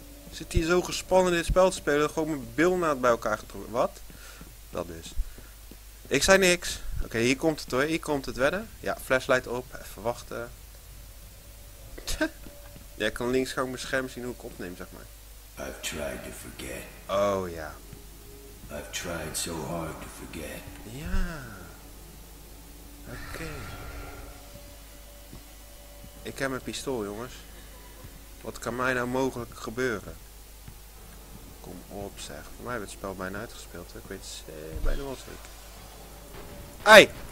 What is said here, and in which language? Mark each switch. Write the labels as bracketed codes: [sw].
[nl] Zit hier zo gespannen in dit spel te spelen, gewoon mijn bilnaad bij elkaar getrokken. Wat? Dat is. Ik zei niks. Oké, okay, hier komt het hoor, hier komt het wedden. Ja, flashlight op, even wachten. Ja, ik kan links gewoon mijn scherm zien hoe ik opneem, zeg maar. [en] I've tried to forget. [nl] Oh ja. [en] I've tried so hard to forget. [nl] Ja. Oké. Okay. Ik heb mijn pistool, jongens. Wat kan mij nou mogelijk gebeuren? Kom op, zeg. Voor mij werd het spel bijna uitgespeeld. Hè? Ik weet bijna wat ik. Ei!